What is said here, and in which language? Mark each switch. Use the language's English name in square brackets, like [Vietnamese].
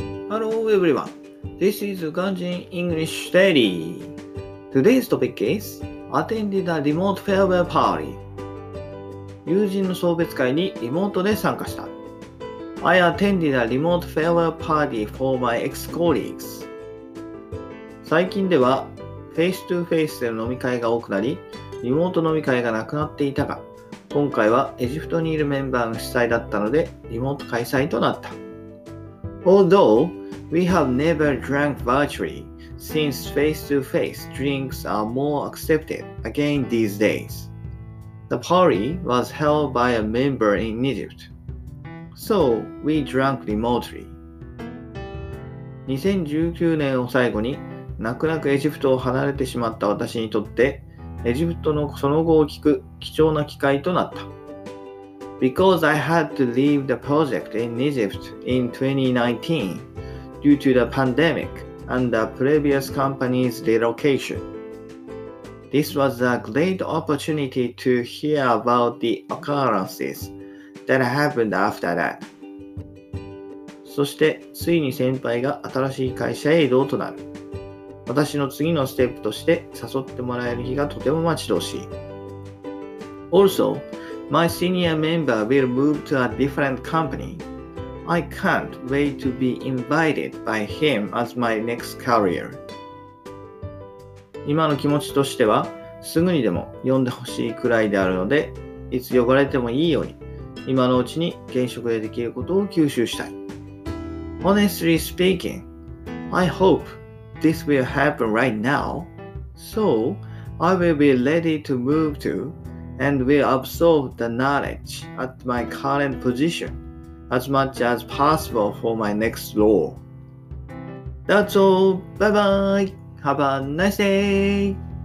[English] Hello everyone, this is Ganjin English Daily. Today's topic is attended a remote farewell party. [Japanese] 友人の送別会にリモートで参加した。 [English] I attended a remote farewell party for my ex-colleagues. [Japanese] 最近ではフェイス2フェイスでの飲み会が多くなり、リモート飲み会がなくなっていたが、今回はエジプトにいるメンバーの主催だったのでリモート開催となった。 [English] Although we have never drank virtually since face-to-face drinks are more accepted again these days, the party was held by a member in Egypt, so we drank remotely. [Japanese] 2019年を最後に泣く泣くエジプトを離れてしまった私にとって、エジプトのその後を聞く貴重な機会となった。 [English] Because I had to leave the project in Egypt in 2019 due to the pandemic and the previous company's relocation. This was a great opportunity to hear about the occurrences that happened after that. [Japanese] そしてついに先輩が新しい会社へ移動となる。私の次のステップとして誘ってもらえる日がとても待ち遠しい。 [English] Also,My senior member will move to a different company. I can't wait to be invited by him as my next career. [Japanese] 今の気持ちとしては、すぐにでも呼んでほしいくらいであるので、いつ呼ばれてもいいように、今のうちに現職でできることを吸収したい。 [English] Honestly speaking, I hope this will happen right now, so I will be ready to move toand will absorb the knowledge at my current position as much as possible for my next role. That's all. Bye bye. Have a nice day.